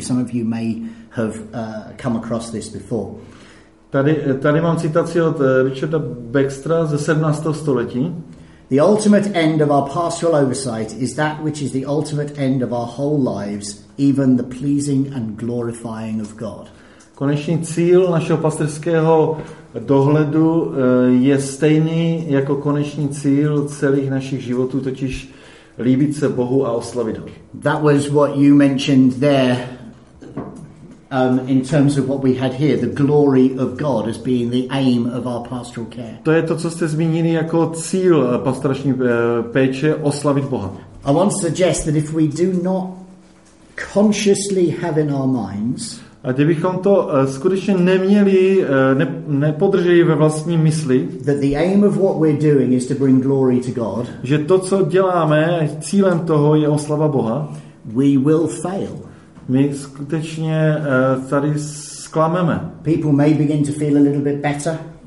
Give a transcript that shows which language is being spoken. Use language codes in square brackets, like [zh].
[en] Some of you may have come across this before. [cs] Tady mám citaci od Richarda Baxtera ze 17. století. [en] The ultimate end of our pastoral oversight is that which is the ultimate end of our whole lives, even the pleasing and glorifying of God. [cs] Konečný cíl našeho pastorského dohledu je stejný jako konečný cíl celých našich životů, totiž líbit se Bohu a oslavit ho. [en] That was what you mentioned there in terms of what we had here, the glory of God as being the aim of our pastoral care. [cs] To je to, co jste zmínili jako cíl pastorační péče, oslavit Boha. [en] I want to suggest that if we do not consciously have in our minds, [cs] a kdybychom to skutečně neměli, nepodrželi ve vlastní mysli, [en] that the aim of what we're doing is to bring glory to God, [cs] že to, co děláme, cílem toho je oslava Boha, [en] we will fail. [cs] My skutečně tady zklameme. [en] People may begin to feel a little bit better.